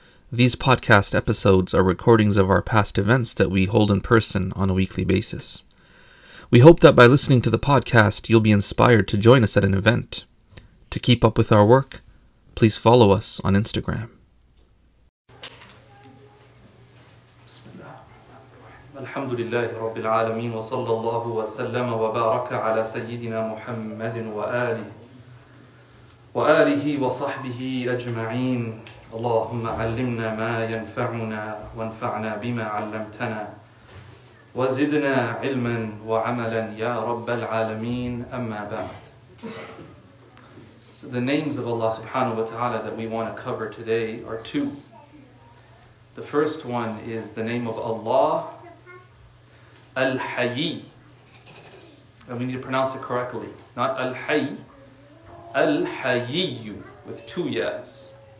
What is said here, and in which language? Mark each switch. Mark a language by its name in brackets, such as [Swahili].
[English] These podcast episodes are recordings of our past events that we hold in person on a weekly basis. We hope that by listening to the podcast, you'll be inspired to join us at an event. To keep up with our work, please follow us on Instagram. [Arabic] الحمد لله رب العالمين وصلى الله وسلم وبارك على سيدنا محمد وآله وصحبه أجمعين اللهم علمنا ما ينفعنا وانفعنا بما علمتنا وزدنا علما وعملا يا رب العالمين أما بعد. [English] So the names of Allah subhanahu wa ta'ala that we want to cover today are two. The first one is the name of Allah, Al-Hayy, and we need to pronounce it correctly, not Al-Hayy, Al-Hayy, with two ya's.